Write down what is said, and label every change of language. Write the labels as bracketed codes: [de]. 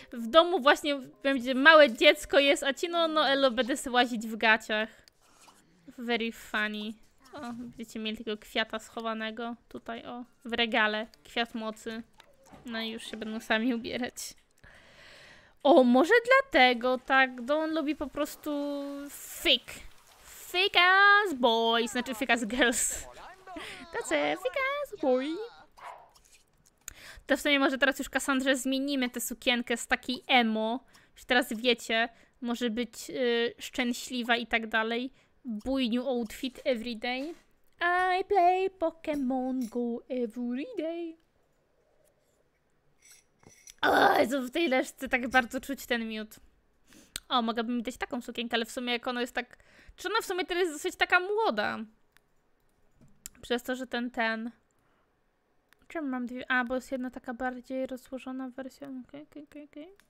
[pl] W domu właśnie, będzie małe dziecko jest, a ci no elo, będę sobie łazić w gaciach. [en] Very funny. [pl] O, będziecie mieli tego kwiata schowanego tutaj, o, w regale. Kwiat mocy. No i już się będą sami ubierać. O, może dlatego tak, Don lubi po prostu fik. [en] Fik as boys, znaczy fik as girls. Tacy, fik as boy. [pl] To w sumie może teraz już Kassandrze zmienimy tę sukienkę z takiej emo. Już teraz wiecie, może być szczęśliwa i tak dalej. [en] Buy new outfit every day. I play Pokemon Go every day. [pl] O, Jezu, w tej leżce tak bardzo czuć ten miód. O, mogłabym mi dać taką sukienkę, ale w sumie jak ona jest tak... Czy ona w sumie teraz jest dosyć taka młoda? Przez to, że ten... Czemu mam dwie? A, bo jest jedna taka bardziej rozłożona wersja. Okej.